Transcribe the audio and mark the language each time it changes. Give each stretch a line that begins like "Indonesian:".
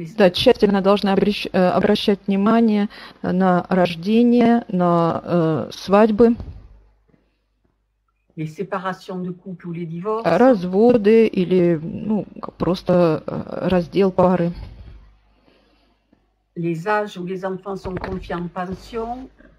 Russian: да, тщательно должны обращать внимание на рождение, на свадьбы,
French: les séparations de couple ou les divorces,
Russian: разводы или ну, просто раздел пары,
French: les âges où les enfants sont confiés en pension,